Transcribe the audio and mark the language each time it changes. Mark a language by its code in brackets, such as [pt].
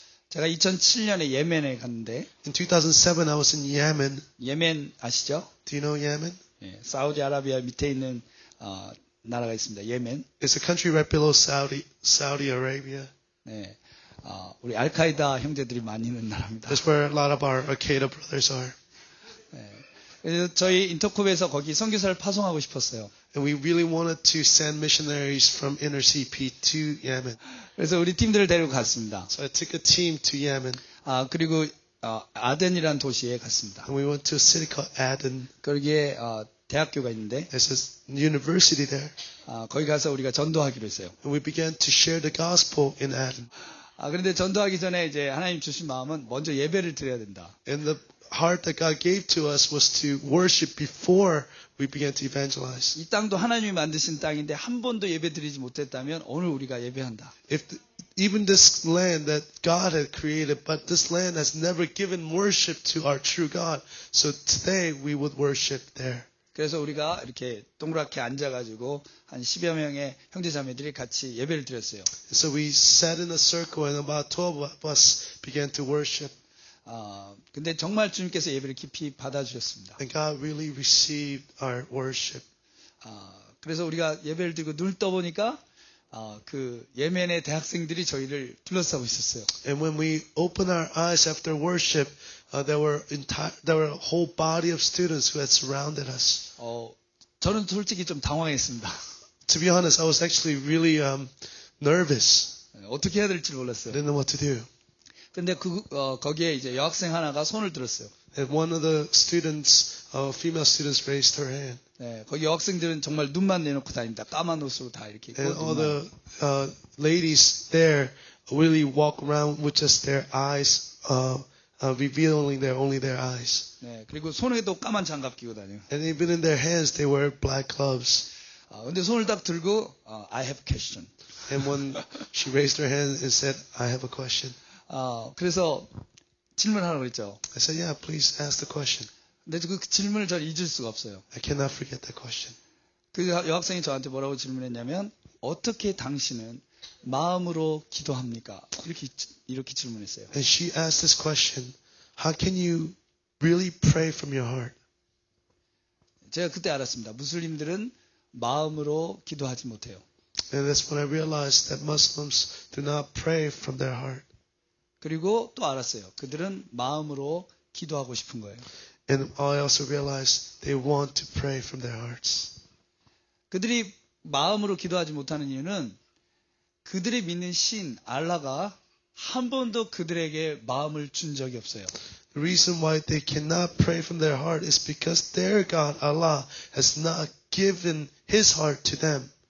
[ko] 제가 2007년에 예멘에 갔는데 [en] In 2007 I was in Yemen. [ko] 예멘 아시죠? [en] Do you know Yemen? [ko] 예, 사우디아라비아 밑에 있는 나라가 있습니다. 예멘. [en] It's a country right below Saudi Arabia. [ko] 네. 우리 알카이다 형제들이 많이 있는 나라입니다. [en] That's where a lot of our Al-Qaeda brothers are. [ko] 네. 그래서 저희 인터콥에서 거기 선교사를 파송하고 싶었어요. [en] And we really wanted to send missionaries from InterCP to Yemen. [ko] 그래서 우리 팀들을 데리고 갔습니다. [en] So I took a team to Yemen. [ko] 그리고 아덴이라는 도시에 갔습니다. [en] And we went to a city called Aden. [ko] 거기에 대학교가 있는데 [en] There's a university there. [ko] 거기 가서 우리가 전도하기로 했어요. [en] And we began to share the gospel in Aden. [ko] 그런데 전도하기 전에 이제 하나님 주신 마음은 먼저 예배를 드려야 된다. [en] And the heart that God gave to us was to worship before we began to evangelize. [ko] 이 땅도 하나님이 만드신 땅인데 한 번도 예배드리지 못했다면 오늘 우리가 예배한다. [en] If even this land that God had created, but this land has never given worship to our true God, so today we would worship there. [ko] 그래서 우리가 이렇게 동그랗게 앉아가지고 한 10여 명의 형제자매들이 같이 예배를 드렸어요. [en] So we sat in a circle and about 12 of us began to worship. [ko] 근데 정말 주님께서 예배를 깊이 받아주셨습니다. [en] And God really received our worship. [ko] 그래서 우리가 예배를 드리고 눈을 떠보니까 그 예멘의 대학생들이 저희를 둘러싸고 있었어요. [en] And when we opened our eyes after worship, there were a whole body of students who had surrounded us. [ko] 저는 솔직히 좀 당황했습니다. [en] To be honest, I was actually really nervous. [ko] 어떻게 해야 될지 몰랐어요. [en] I didn't know what to do. [ko] 근데 거기에 이제 여학생 하나가 손을 들었어요. [en] And one of the students, female students, raised her hand. [ko] 네, 거기 여학생들은 정말 눈만 내놓고 다닙니다. 까만 옷으로 다 이렇게. [en] And all the ladies there really walk around with just their eyes. Revealing their only their eyes. [ko] 네, 그리고 손에도 까만 장갑 끼고 다녀요. [en] And even in their hands, they wear black gloves. [ko] 근데 손을 딱 들고, [en] I have a question. And when she raised her hand and said, I have a question. [ko] 그래서 질문하라고 했죠. [en] I said, yeah, please ask the question. [ko] 근데 그 질문을 잊을 수가 없어요. [en] I cannot forget that question. [ko] 그 여학생이 저한테 뭐라고 질문했냐면, 어떻게 당신은 마음으로 기도합니까? 이렇게 질문했어요. [en] And she asked this question. How can you really pray from your heart? [ko] 제가 그때 알았습니다. 무슬림들은 마음으로 기도하지 못해요. [en] And that's when I realized that Muslims do not pray from their heart. [ko] 그리고 또 알았어요. 그들은 마음으로 기도하고 싶은 거예요. [en] And I also realized they want to pray from their hearts. [ko] 그들이 마음으로 기도하지 못하는 이유는 그들이 믿는 신 알라가 한 번도 그들에게 마음을 준 적이 없어요. [en] The reason why they cannot pray from their heart is because their God Allah has not given his heart to them.